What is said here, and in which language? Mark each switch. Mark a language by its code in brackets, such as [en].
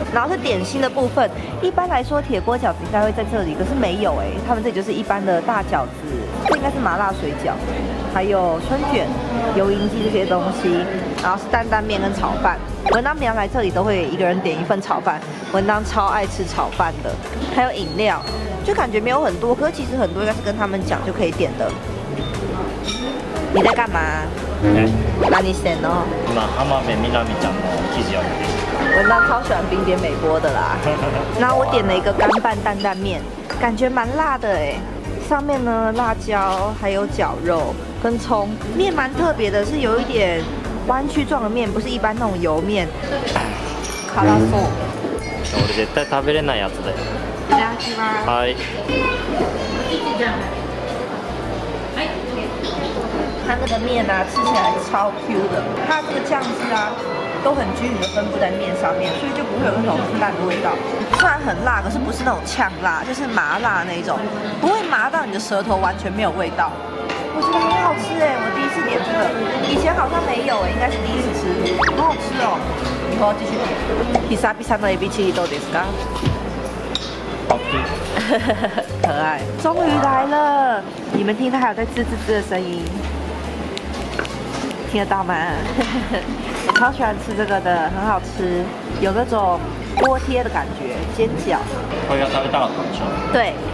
[zh] 然后是点心的部分，一般来说铁锅饺子应该会在这里，可是没有哎，他们这里就是一般的大饺子，这应该是麻辣水饺，还有春卷、油淋鸡这些东西，然后是担担面跟炒饭。文当每天来这里都会一个人点一份炒饭，文当超爱吃炒饭的。还有饮料，就感觉没有很多，可是其实很多应该是跟他们讲就可以点的。你在干嘛？哎， [ja] 何してんの？今浜辺美波ちゃんの記事を見て。 [zh] 文当超喜欢冰点美波的啦。那我点了一个干拌担担面，感觉蛮辣的哎。上面呢辣椒还有绞肉跟葱，面蛮特别的，是有一点弯曲状的面，不是一般那种油面。卡拉素， [ja] 我絶対食べれないやつだよ。いただきます。はい。 [zh] 它那个面啊，吃起来超 Q 的，它这个酱汁啊，都很均匀的分布在面上面，所以就不会有那种淡的味道。虽然很辣，可是不是那种呛辣，就是麻辣那一种，不会麻到你的舌头完全没有味道。我觉得很好吃哎，我第一次点这个，以前好像没有哎，应该是第一次吃，很好吃哦。以后继续点。 [ja] 久々のエビチリどうですか？ [zh] 可爱，终于来了！你们听，它还有在滋滋滋的声音，听得到吗？我超喜欢吃这个的，很好吃，有那种锅贴的感觉，煎饺。我要吃大肠球。对。